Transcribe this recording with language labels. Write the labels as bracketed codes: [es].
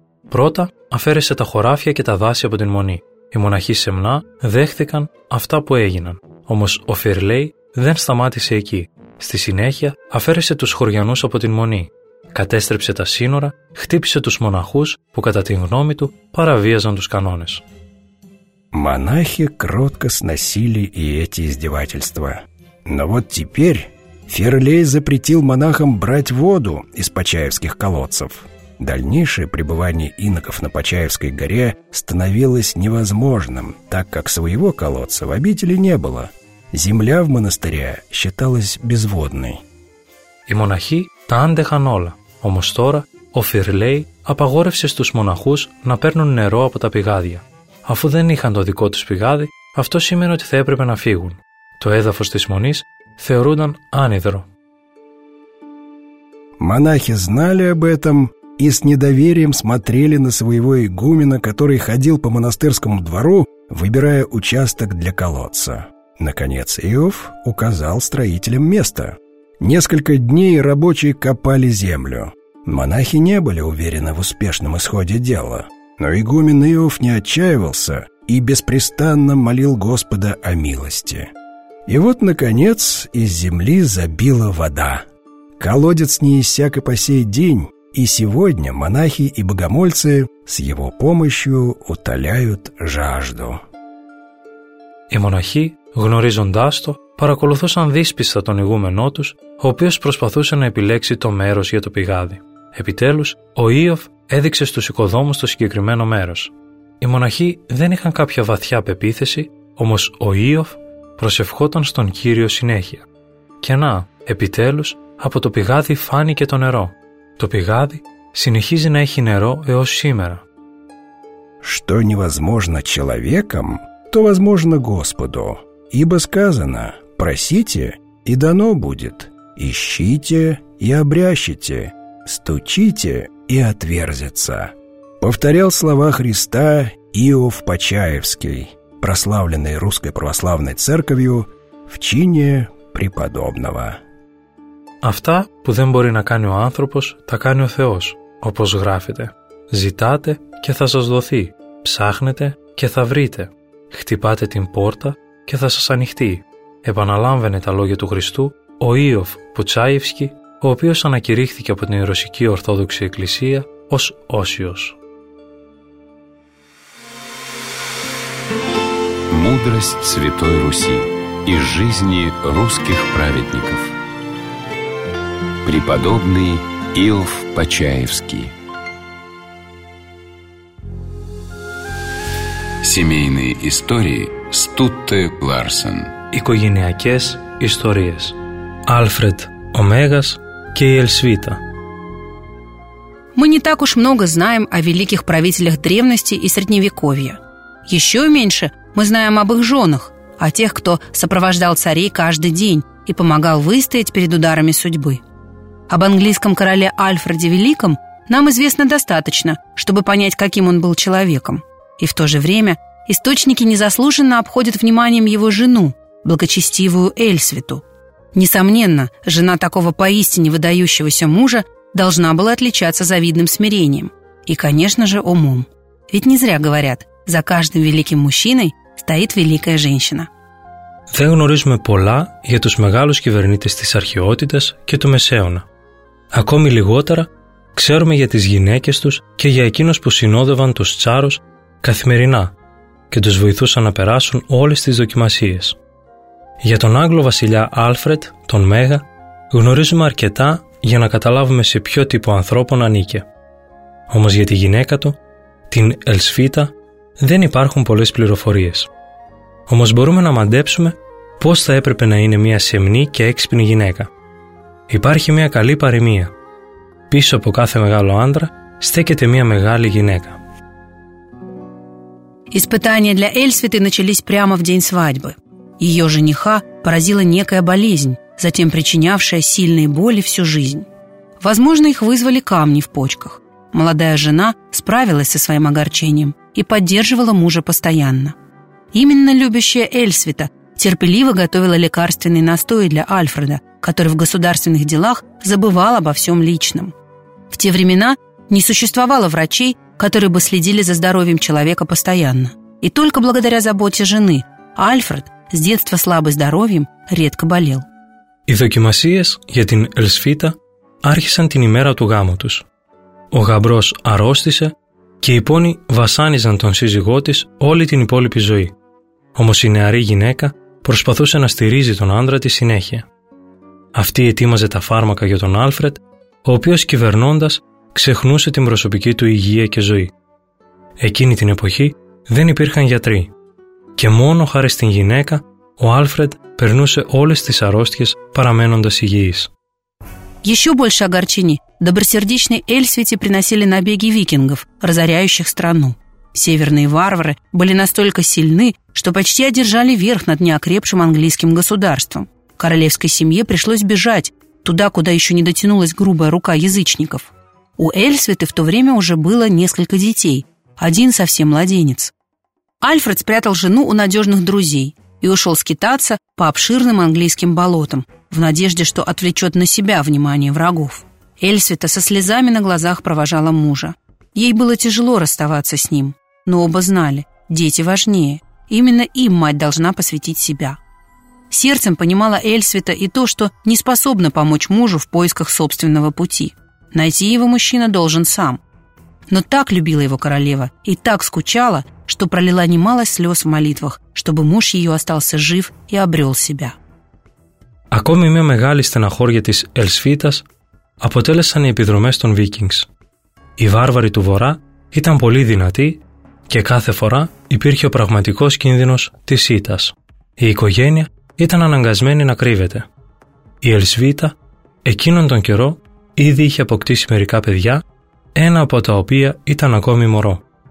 [el] Πρώτα αφαίρεσε τα χωράφια και τα δάση από την μονή. Οι μοναχοί σεμνά δέχθηκαν αυτά που έγιναν. Όμως ο Φιρλέη δεν σταμάτησε εκεί. Στη συνέχεια αφαίρεσε τους χωριανούς από την μονή. Κατέστρεψε τα σύνορα, χτύπησε τους μοναχούς που κατά την γνώμη του παραβίαζαν τους κανόνες. [ru] Μονάχοι кротко сносили и эти издевательства. Но вот теперь Фирлей запретил монахам брать воду из почаевских колодцев. Дальнейшее пребывание иноков на Почаевской горе становилось невозможным, так как своего колодца в обители не было. Земля в монастыре считалась безводной. [el] Οι μοναχοί τα άντεχαν όλα. Όμως τώρα ο Φιρλέη απαγόρευσε στους μοναχούς να παίρνουν νερό από τα πηγάδια. Αφού δεν είχαν το δικό τους πηγάδι, αυτό σήμαινε ότι θα έπρεπε να φύγουν. Το έδαφος της μονής θεωρούνταν άνυδρο. [ru] Μονάχοι знали об этом и с недоверием смотрели на своего игумена, который ходил по монастырскому двору, выбирая участок для колодца. Наконец Иов указал строителям место. Несколько дней рабочие копали землю. Монахи не были уверены в успешном исходе дела. Но игумен Иов не отчаивался и беспрестанно молил Господа о милости. И вот, наконец, из земли забила вода. Колодец не иссяк и по сей день, и сегодня монахи и богомольцы с его помощью утоляют жажду. И монахи, [el] γνωρίζοντάς το, παρακολουθούσαν δύσπιστα τον ηγούμενό τους, ο οποίος προσπαθούσε να επιλέξει το μέρος για το πηγάδι. Επιτέλους, ο Ιωφ έδειξε στους οικοδόμους το συγκεκριμένο μέρος. Οι μοναχοί δεν είχαν κάποια βαθιά πεποίθηση, όμως ο Ιωφ προσευχόταν στον Κύριο συνέχεια. Και να, επιτέλους, από το πηγάδι φάνηκε το νερό. Το πηγάδι συνεχίζει να έχει νερό έως σήμερα. [ru] «Что невозможно человеком, то возможно Господу». Ибо сказано, просите, и дано будет, ищите, и обрящите, стучите, и отверзится. Повторял слова Христа Иов Почаевский, прославленный Русской Православной Церковью в чине преподобного. [el] Αυτά που δεν μπορεί να κάνει ο άνθρωπος, τα κάνει ο Θεός, όπως γράφεται. Ζητάτε και θα σας δοθεί, ψάχνετε και θα βρείτε. Χτυπάτε την πόρτα και θα σας ανοιχτεί. Επαναλάμβανε τα λόγια του Χριστού ο Ιωφ Ποτσάιευσκι, ο οποίος ανακηρύχθηκε από την Ρωσική Ορθόδοξη Εκκλησία ως Όσιος. [ru] Мудрость Святой Руси и жизни русских праведников. Преподобный Иов Почаевский. Семейные истории. Στούτε Λάρσεν. [el] Οικογενειακές ιστορίες. Άλφρεντ Ομέγας και η Ελσβίτα. [ru] Мы не так уж много знаем о великих правителях древности и средневековья. Еще меньше мы знаем об их женах, о тех, кто сопровождал царей каждый день и помогал выстоять перед ударами судьбы. Об английском короле Альфреде Великом нам известно достаточно, чтобы понять, каким он был человеком. И в то же время источники незаслуженно обходят вниманием его жену, благочестивую Эльсвиту. Несомненно, жена такого поистине выдающегося мужа должна была отличаться завидным смирением и, конечно же, умом. Ведь не зря говорят, за каждым великим мужчиной стоит великая женщина. [el] Δεν γνωρίζουμε πολλά για τους μεγάλους κυβερνήτες της αρχαιότητας και του Μεσαίωνα. Ακόμη λιγότερα ξέρουμε για τις γυναίκες τους και για εκείνους που συνόδευαν τους τσάρους καθημερινά και τους βοηθούσαν να περάσουν όλες τις δοκιμασίες. Για τον Άγγλο βασιλιά Άλφρετ, τον Μέγα, γνωρίζουμε αρκετά για να καταλάβουμε σε ποιο τύπο ανθρώπων ανήκε. Όμως για τη γυναίκα του, την Ελσφίτα, δεν υπάρχουν πολλές πληροφορίες. Όμως μπορούμε να μαντέψουμε πώς θα έπρεπε να είναι μια σεμνή και έξυπνη γυναίκα. Υπάρχει μια καλή παροιμία. Πίσω από κάθε μεγάλο άντρα στέκεται μια μεγάλη γυναίκα. [ru] Испытания для Эльсвиты начались прямо в день свадьбы. Ее жениха поразила некая болезнь, затем причинявшая сильные боли всю жизнь. Возможно, их вызвали камни в почках. Молодая жена справилась со своим огорчением и поддерживала мужа постоянно. Именно любящая Эльсвита терпеливо готовила лекарственный настой для Альфреда, который в государственных делах забывал обо всем личном. В те времена не существовало врачей, которые бы следили за здоровьем человека постоянно. И только благодаря заботе жены Альфред, с детства слабый здоровьем, редко болел. [el] Οι δοκιμασίες για την Ελσφίτα άρχισαν την ημέρα του γάμου τους. Ο γαμπρός αρρώστησε και οι πόνοι βασάνιζαν τον σύζυγό της όλη την υπόλοιπη ζωή. Όμως η νεαρή γυναίκα προσπαθούσε να στηρίζει τον άντρα της συνέχεια. Αυτή ετοίμαζε τα φάρμακα για τον Άλφρετ, ο οποίος κυβερνώντας ξεχνούσε την προσωπική του υγεία και ζωή. Εκείνη την εποχή δεν υπήρχαν γιατροί και μόνο χάρη στην γυναίκα ο Άλφρετ περνούσε όλες τις αρρώστιες παραμένοντας υγιής. [ru] Еще больше огорчений добросердечной Эльсвите приносили набеги викингов, разоряющих страну. Северные варвары были настолько сильны, что почти одержали верх над неокрепшим английским государством. Королевской семье пришлось бежать туда, куда еще не дотянулась грубая рука язычников. У Эльсвиты в то время уже было несколько детей, один совсем младенец. Альфред спрятал жену у надежных друзей и ушел скитаться по обширным английским болотам в надежде, что отвлечет на себя внимание врагов. Эльсвита со слезами на глазах провожала мужа. Ей было тяжело расставаться с ним, но оба знали, дети важнее. Именно им мать должна посвятить себя. Сердцем понимала Эльсвита и то, что не способна помочь мужу в поисках собственного пути. Найти его мужчина должен сам. Но так любила его королева и так скучала, что пролила немало слез в молитвах, чтобы муж ее остался жив и обрел себя. [el] Ακόμη μια μεγάλη στεναχώρια της Ελσφίτας αποτέλεσαν οι επιδρομές των Βίκινγκς. Οι βάρβαροι του Βορρά ήταν πολύ δυνατοί και κάθε φορά υπήρχε ο πραγματικός κίνδυνος της ήττας. Η οικογένεια ήταν αναγκασμένη να κρύβεται. Η Ελσβίτα εκείνον τον καιρό ήδη είχε αποκτήσει μερικά παιδιά, ένα από τα οποία ήταν ακόμη μωρό.